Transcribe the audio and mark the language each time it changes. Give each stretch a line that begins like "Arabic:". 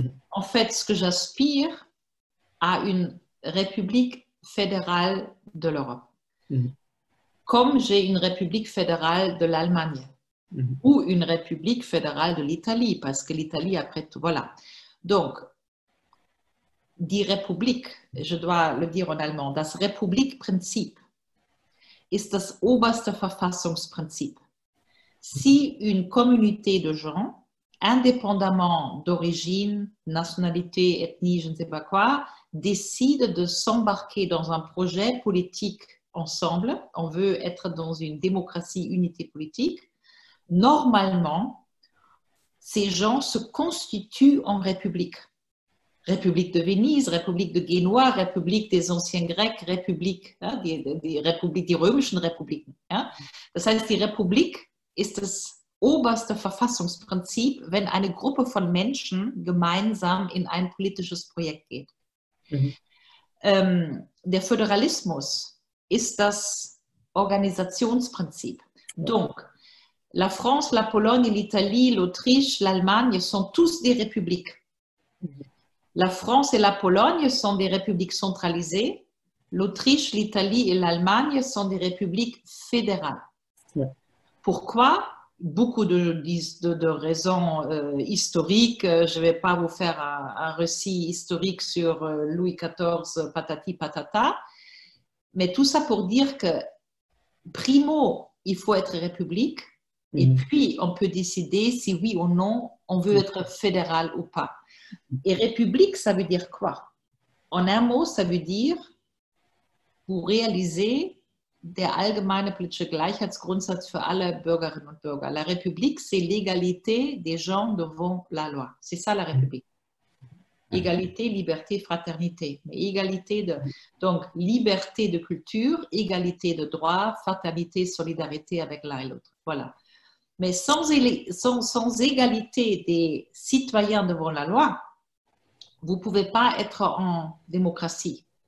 French: En fait, ce que j'aspire à une république fédérale de l'Europe, comme j'ai une république fédérale de l'Allemagne, ou une république fédérale de l'Italie, parce que l'Italie, après tout, voilà. Donc,
German: die Republik,
French: je dois le dire en allemand,
German: das Republikprinzip, ist das oberste Verfassungsprinzip.
French: Si une communauté de gens, indépendamment d'origine, nationalité, ethnie, je ne sais pas quoi, décide de s'embarquer dans un projet politique ensemble, on veut être dans une démocratie, unité politique, normalement, ces gens se constituent en république. République de Venise, République de Génoa, République des anciens Grecs, République hein, des républiques,
German: des römischen
French: Républiques. Hein.
German: Das heißt, die Republik ist das oberste Verfassungsprinzip, wenn eine Gruppe von Menschen gemeinsam in ein politisches Projekt geht. Der Föderalismus ist das Organisationsprinzip.
French: Donc, la France, la Pologne, l'Italie, l'Autriche, l'Allemagne sont tous des républiques. La France et la Pologne sont des républiques centralisées. L'Autriche, l'Italie et l'Allemagne sont des républiques fédérales. Pourquoi? Beaucoup de raisons historiques. Je ne vais pas vous faire un récit historique sur Louis XIV, patati patata. Mais tout ça pour dire que, primo, il faut être république. Et puis, on peut décider si oui ou non, on veut être fédéral ou pas. Et république, ça veut dire quoi? En un mot, ça veut dire pour réaliser
German: der allgemeine politische Gleichheitsgrundsatz für alle Bürgerinnen und Bürger.
French: La République, c'est l'égalité des gens devant la loi. C'est ça la République. Égalité, liberté, fraternité. Mais égalité de, donc, liberté de culture, égalité de droit, fraternité, solidarité avec l'un et l'autre. Voilà. Mais sans égalité des citoyens devant la loi, vous ne pouvez pas être en démocratie.